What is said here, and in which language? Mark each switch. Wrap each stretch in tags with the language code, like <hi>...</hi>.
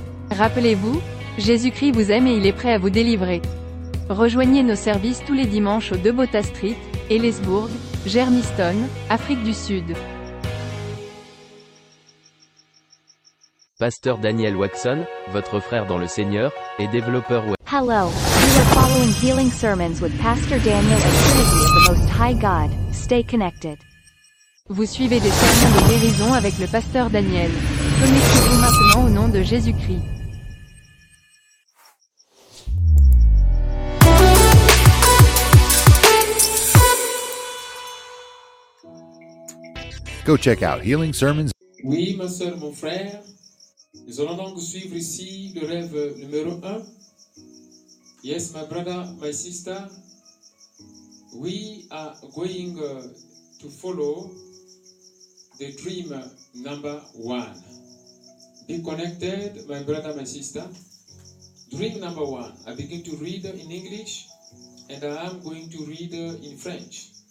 <fr>Rappelez-vous, Jésus-Christ vous aime et il est prêt à vous délivrer. Rejoignez nos services tous les dimanches au 2 Botha Street, Ellisburg, Germiston, Afrique du Sud. Pasteur Daniel Waxon, votre frère dans le Seigneur, et développeur web.</fr> <en>Hello, we are following healing sermons with Pastor Daniel at Trinity of the Most High God. Stay connected.</en> <fr>Vous suivez des sermons de guérison avec le pasteur Daniel. Connectez-vous maintenant au nom de Jésus-Christ.</fr> <en>Go check out Healing Sermons.</en> <fr>Oui, ma soeur, mon frère. Nous allons donc suivre ici le rêve numéro 1.</fr> <en>Yes, my brother, my sister. We are going to follow the dream number one. Be connected, my brother, my sister. Dream number one. I begin to read in English and I am going to read in French.</en>